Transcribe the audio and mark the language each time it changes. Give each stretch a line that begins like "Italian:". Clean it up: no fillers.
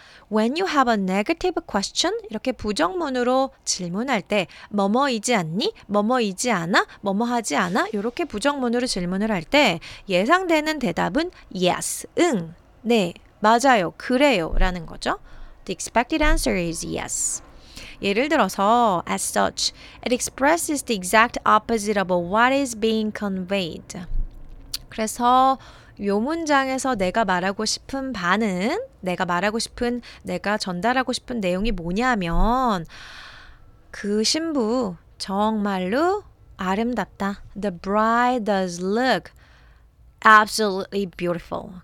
English: When you have a negative question,
Korean: 이렇게 부정문으로 질문할 때 뭐뭐이지 않니? 뭐뭐이지 않아? 뭐뭐하지 않아? 이렇게 부정문으로 질문을 할 때 예상되는 대답은 yes, 응, 네, 맞아요, 그래요 라는 거죠.
English: The expected answer is yes.
Korean: 예를 들어서
English: as such, it expresses the exact opposite of what is being conveyed.
Korean: 그래서 요 문장에서 내가 말하고 싶은 바는 내가 말하고 싶은 내가 전달하고 싶은 내용이 뭐냐면 그 신부 정말로 아름답다.
English: The bride does look absolutely beautiful.